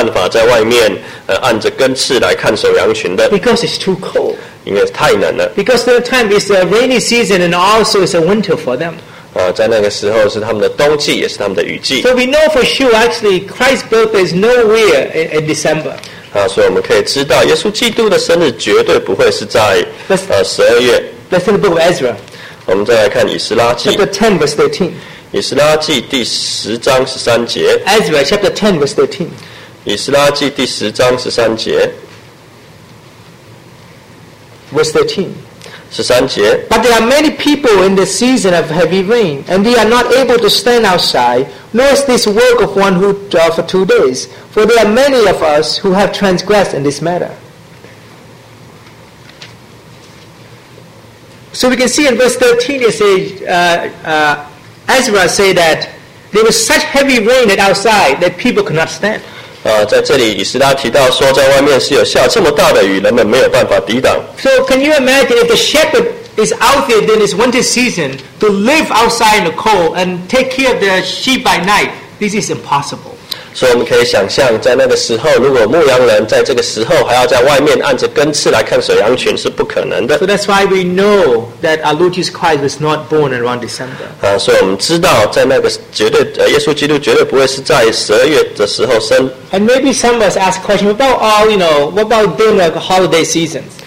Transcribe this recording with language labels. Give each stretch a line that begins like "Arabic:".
Chinese: 在12月的时候，牧羊人是没有办法在外面按着根刺来看守羊群的。
English: Because it's too cold.
Chinese: 因为太冷了。
English: Because the time is a rainy season and also it's a winter for them.
Chinese: 在那个时候是他们的冬季，也是他们的雨季。
English: So we know for sure, actually, Christ's birthday is nowhere in December.
Chinese: 所以我们可以知道，耶稣基督的生日绝对不会是在 12月。
English: Let's take the book of Ezra.
Chinese: 我们再来看以斯拉记。
English: Chapter 10, verse 13.
Chinese: 以斯拉记第10章13节。
English: Ezra chapter 10 verse 13.
Chinese: 以斯拉记第10章13节。
English: Verse 13.
Chinese: 十三节。
English: But there are many people in the season of heavy rain, and they are not able to stand outside, nor is this work of one who draws for 2 days. For there are many of us who have transgressed in this matter. So we can see in verse 13 it says, Ezra say that there was such heavy rain that outside that people could not stand.
Chinese: 在这里以斯拉提到说，在外面是有下这么大的雨，人们没有办法抵挡。
English: So can you imagine if the shepherd is out there during this winter season to live outside in the cold and take care of the sheep by night? This is impossible.
Chinese: 所以我们可以想象，在那个时候，如果牧羊人在这个时候还要在外面按着根刺来看守羊群，是不可能的。
English: So that's why we know that our Lord Jesus Christ was not born around December.
Chinese: 所以我们知道，在那个绝对耶稣基督绝对不会是在十二月的时候生。
English: And maybe some of us ask a question about all, you know, what about during the holiday seasons?